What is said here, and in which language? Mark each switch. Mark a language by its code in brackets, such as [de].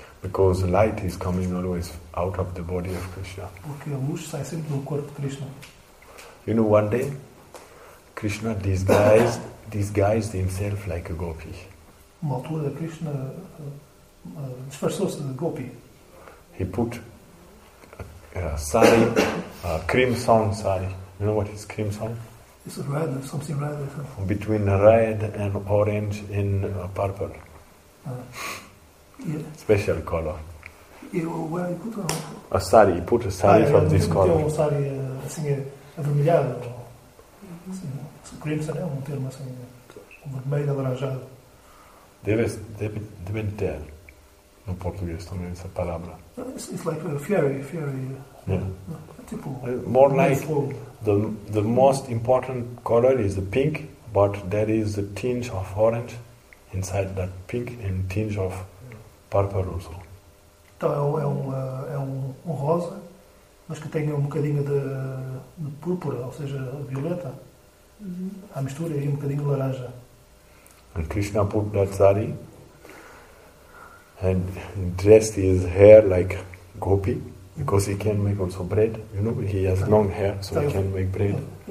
[en] Because the light is coming always out of the body of Krishna. [pt] Porque a luz sai sempre do corpo de Krishna. [en] You know, one day, Krishna disguised himself like a gopi. [pt] Uma altura, Krishna disfarçou-se de gopi. [en] He put a sari, a crimson sari. You know what is crimson? It's red, something red. Between red and orange in purple. Yeah. Special color. Yeah, where you put a sari, you put a sari from this color. [pt] Un sari, avermelhado. Assim, crimson é termo assim, vermelho, avaranjado. Deve ter, no português, também essa palavra. [en] It's like a fiery. Yeah. More like the most important color is the pink, but there is a tinge of orange inside that pink and tinge of purple also. [pt] Então é um rosa, mas que tem um bocadinho de púrpura, ou seja, violeta. A mistura e um bocadinho de laranja. [en] And Krishna put that sari and dressed his hair like gopi. Because he can make also bread, you know, he has long hair, so he can make bread.